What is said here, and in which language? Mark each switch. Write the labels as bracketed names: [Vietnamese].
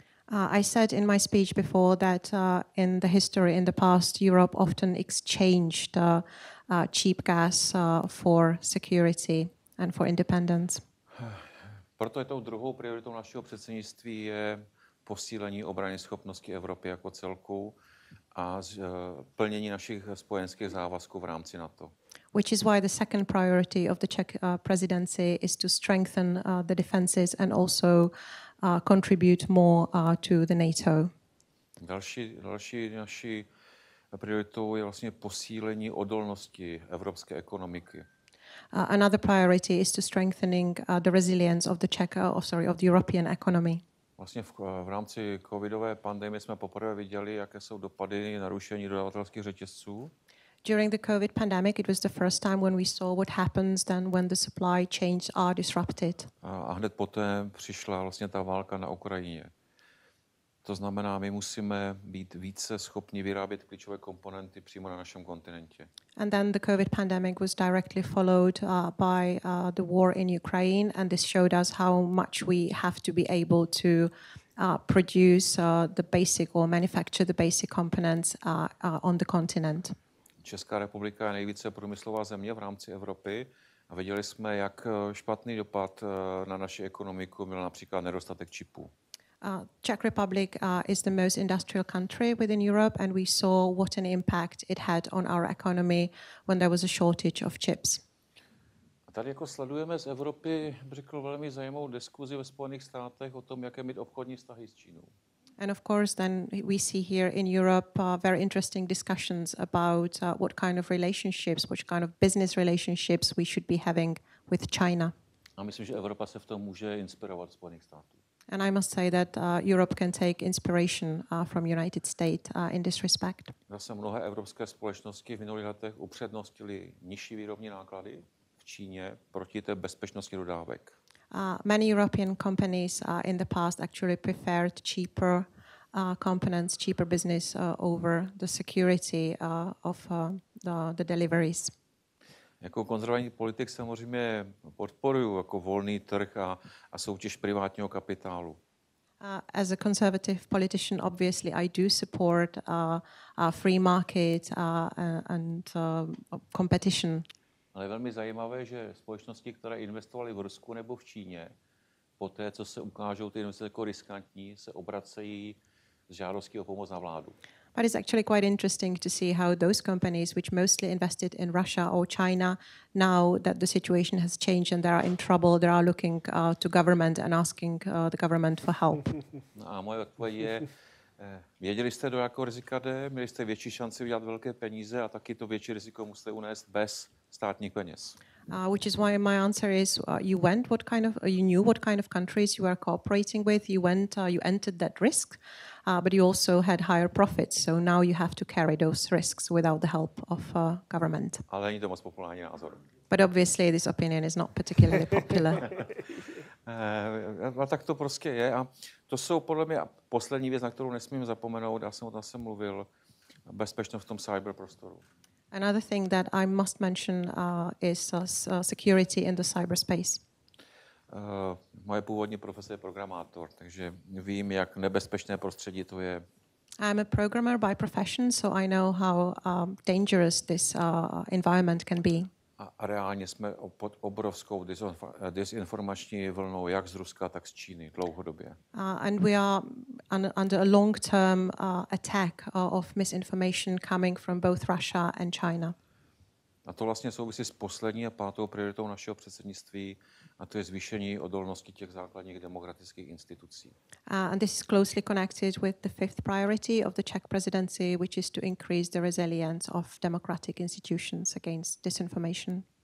[English] I said in my speech before that in the history, in the past, Europe often exchanged cheap gas for security and for independence. [Czech] Proto je tou druhou prioritou našeho předsednictví je posílení obrany schopnosti Evropy jako celku a plnění našich spojenských závazků v rámci NATO. [English] Which is why the second priority of the Czech presidency is to strengthen the defenses and also contribute more to the NATO. [Czech] Další naší prioritou je vlastně posílení odolnosti evropské ekonomiky. [English] Another priority is to strengthening the resilience of the Czech, of the European economy. [Czech] Vlastně v rámci covidové pandemie jsme poprvé viděli, jaké jsou dopady narušení dodavatelských řetězců. [English] During the COVID pandemic, it was the first time when we saw what happens then when the supply chains are disrupted. [Czech] A hned poté přišla vlastně ta válka na Ukrajině. To znamená, my musíme být více schopni vyrábět klíčové komponenty přímo na našem kontinentě. [English] And then the COVID pandemic was directly followed by the war in Ukraine, and this showed us how much we have to be able to produce the basic or manufacture the basic components on the continent. [Czech] Česká republika je nejvíce průmyslová země v rámci Evropy a viděli jsme, jak špatný dopad na naši ekonomiku měl například nedostatek čipů. [English] Czech Republic is the most industrial country within Europe and we saw what an impact it had on our economy when there was a shortage of chips. [Czech] A tady jako sledujeme z Evropy, řekl, velmi zajímavou diskuzi ve Spojených státech o tom, jaké mít obchodní vztahy s Čínou. [English] And of course, then we see here in Europe very interesting discussions about what kind of relationships, which kind of business relationships we should be having with China. [Czech] A myslím, že Evropa se v tom může inspirovat Spojených států. [English] And I must say that Europe can take inspiration from United States in this respect. [Czech] Zase mnohé evropské společnosti v minulých letech upřednostily nižší výrobní náklady v Číně proti té bezpečnosti dodávek. [English] Many European companies in the past actually preferred cheaper components, cheaper business over the security of the deliveries. [Czech] Jako konzervativní politik samozřejmě podporuju jako volný trh a soutěž privátního kapitálu. [English] As a conservative politician, obviously I do support free market and competition. [Czech] Ale je velmi zajímavé, že společnosti, které investovaly v Rusku nebo v Číně, poté, co se ukážou ty investice jako riskantní, se obracejí s žádostí o pomoc na vládu. [English] But it's actually quite interesting to see how those companies which mostly invested in Russia or China, now that the situation has changed and they are in trouble, they are looking to government and asking the government for help. [Czech] No a moje odpověď je, věděli jste, do jakého rizika jde, měli jste větší šanci udělat velké peníze a taky to větší riziko musíte unést bez státních peněz. [English] Which is why my answer is you knew what kind of countries you are cooperating with, you entered that risk, but you also had higher profits, so now you have to carry those risks without the help of government. [Czech] Ale není to moc populární názor. [English] But obviously this opinion is not particularly popular. [Czech] No tak to prostě je a to jsou podle mě poslední věc, na kterou nesmím zapomenout, já jsem o tom se mluvil, bezpečnost v tom cyberprostoru. [English] Another thing that I must mention is security in the cyberspace. [Czech] Moje původní profese je programátor, takže vím, jak nebezpečné prostředí to je. [English] I'm a programmer by profession, so I know how dangerous this environment can be. [Czech] A reálně jsme pod obrovskou disinformační vlnou, jak z Ruska, tak z Číny, dlouhodobě. [English] And we are under a long-term attack of misinformation coming from both Russia and China. [Czech] A to vlastně souvisí s poslední a pátou prioritou našeho předsednictví, a to je zvýšení odolnosti těch základních demokratických institucí. [English] And this is closely connected with the fifth priority of the Czech presidency, which is to increase the resilience of democratic institutions against disinformation.